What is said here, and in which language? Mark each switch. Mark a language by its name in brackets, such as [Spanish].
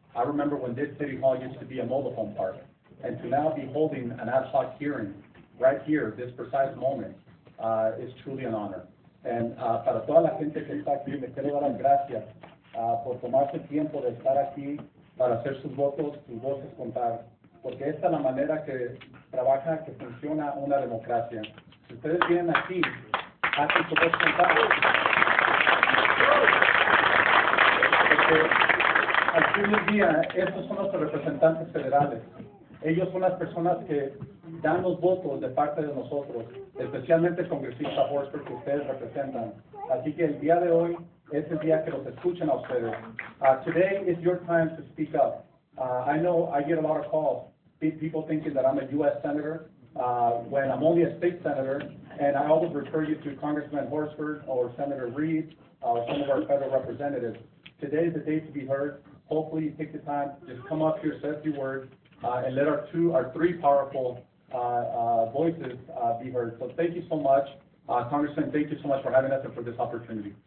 [English] I remember when this city hall used to be a mobile home park, and to now be holding an ad hoc hearing right here, this precise moment, is truly an honor. [Spanish] And para toda la gente que está aquí, me quiero dar las gracias por tomarse el tiempo de estar aquí para hacer sus votos, sus voces contar, porque esta es la manera que trabaja, que funciona una democracia. Si ustedes vienen aquí, hacen su voz contar. Porque al fin del día, estos son nuestros representantes federales. Ellos son las personas que dan los votos de parte de nosotros, especialmente el congresista Horsford, que ustedes representan. Así que el día de hoy es el día que los escuchen a ustedes. [English] Today is your time to speak up. I know I get a lot of calls, people thinking that I'm a U.S. senator, when I'm only a state senator, and I always refer you to Congressman Horsford or Senator Reed, or some of our federal representatives. Today is the day to be heard. Hopefully you take the time, just come up here, say a few words, and let our three powerful voices be heard. So thank you so much, Congressman. Thank you so much for having us and for this opportunity.